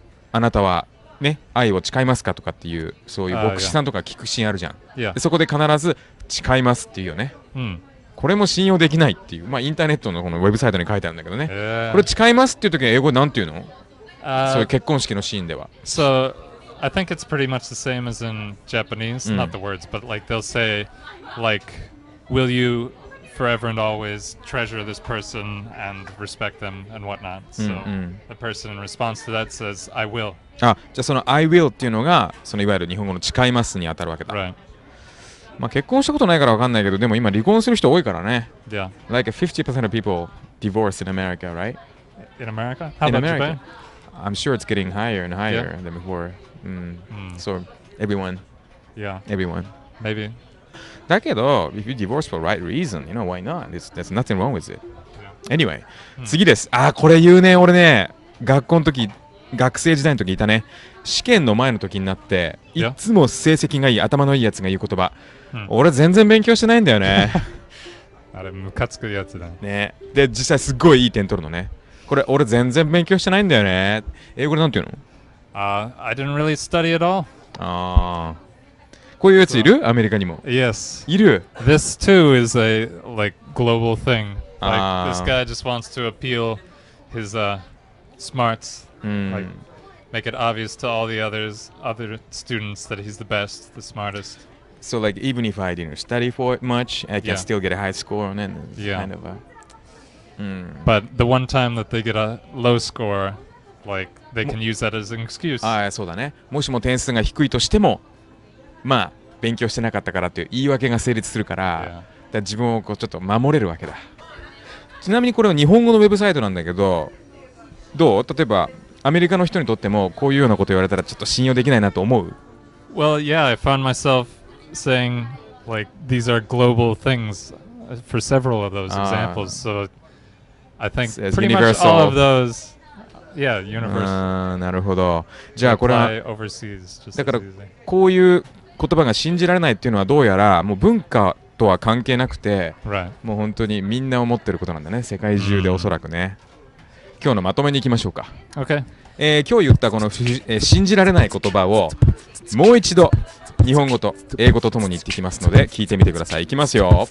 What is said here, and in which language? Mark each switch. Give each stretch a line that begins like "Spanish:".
Japanese: あなたはね、愛を誓いますかとかっていう、そういう牧師さんとか聞くシーンあるじゃん。
English: Yeah.
Japanese: でそこで必ず誓いますっていうよね。これも信用できないっていう、まあインターネットのこのウェブサイトに書いてあるんだけどね。これ誓いますっていう時は英語なんていうの、そういう結婚式のシーンでは。
English: So, I think it's pretty much the same as in Japanese, not the words, but like they'll say, like, will you forever and always treasure this person and respect them and whatnot. So、うんうん、the person in response to that says, I will.
Japanese: あ、じゃあその
English: I will
Japanese: っていうのが、そのいわゆる日本語の誓いますに当たるわけだ。
English: Right.
Japanese: まあ結婚したことないからわかんないけど、でも今離婚する人多いからね。
English: Yeah. Like 50% of people divorce in America, right? In America? How in about America? Japan? I'm sure it's getting higher and higher、yeah. than before.、Mm. Mm. So everyone. Yeah. Everyone. Maybe.
Japanese: だけど、
English: if you divorce for right reason, you know, why not? There's nothing wrong with it. Anyway,、うん、
Japanese: 次です。あ、これ言うね、俺ね、学校の時、学生時代の時いたね。試験の前の時になって、いつも成績がいい、頭のいいやつが言う言葉。うん、俺全然勉強してないんだよね。あれ、ムカつくやつだ。ね。で、実際すごいいい点取るのね。これ、俺全然勉強してないんだよね。英語でなんて言うの？
English: I didn't really study at all.
Japanese: ああ。こういうやついる？アメリカにも。
English: Yes.
Japanese: いる。
English: This too is a like global thing. Like, this guy just wants to appeal his smarts,、うん、 like make it obvious to all the others, other students that he's the best, the smartest. So like even if I didn't study for it much, I can、yeah. still get a high score and it's、yeah. kind of a...、 Mm. But the one time that they get a low score, like they can use that as an excuse.
Japanese: ああ、そうだね。もしも点数が低いとしても、まあ勉強してなかったからという言い訳が成立するから、
English: yeah.
Japanese: だから自分をこうちょっと守れるわけだ。ちなみにこれは日本語のウェブサイトなんだけど、どう？例えばアメリカの人にとってもこういうようなこと言われたらちょっと信用できないなと思う？
English: Well, yeah, I found myself saying like these are global things for several of those examples. So I think pretty much all of those. Yeah, universe.
Japanese: なるほど。じゃあこれは
English: overseas,
Japanese: だからこういう言葉が信じられないっていうのはどうやらもう文化とは関係なくて、
English: right.
Japanese: もう本当にみんな思ってることなんだね、世界中でおそらくね、今日のまとめに行きましょうか。
English: Okay.
Japanese: 今日言ったこの、信じられない言葉をもう一度日本語と英語とともに言ってきますので聞いてみてください。行きますよ。